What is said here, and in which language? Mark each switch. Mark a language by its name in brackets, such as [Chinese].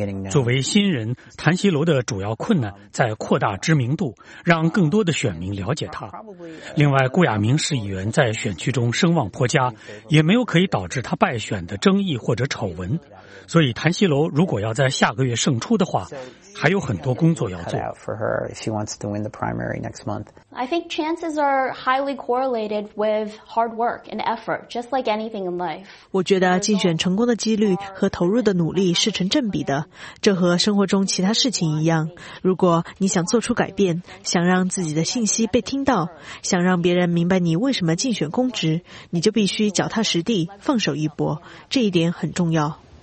[Chinese] 作为新人，谭西楼的主要困难在扩大知名度，让更多的选民了解他。另外，顾亚明市议员在选区中声望颇佳，也没有可以导致他败选的争议或者丑闻，所以谭西楼如果要在下个月胜出的话，还有很多工作要做。 [English] I think chances are highly correlated with hard work and effort, just like anything in life. [Chinese] 我觉得竞选成功的几率和投入的努力是成正比的，这和生活中其他事情一样。如果你想做出改变，想让自己的信息被听到，想让别人明白你为什么竞选公职，你就必须脚踏实地，放手一搏，这一点很重要。